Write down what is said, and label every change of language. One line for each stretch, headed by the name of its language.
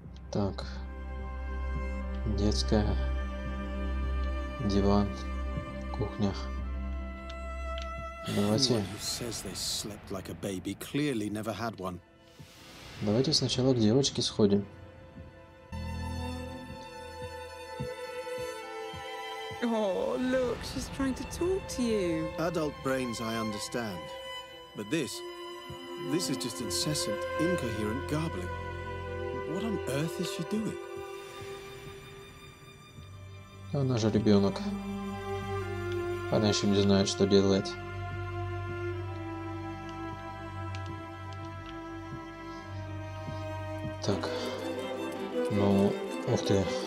Russian: Так, детская, диван, кухня. Давайте.
English: Who says they slept like a baby? Clearly never had one.
Russian: Давайте сначала к девочке сходим.
English: Oh, look, she's trying to talk to you. Adult brains, I understand. But this is just incessant, incoherent garbling. What on earth is she doing?
Russian: Она же ребенок. Она еще не знает, что делает. Так. Ну, ух ты.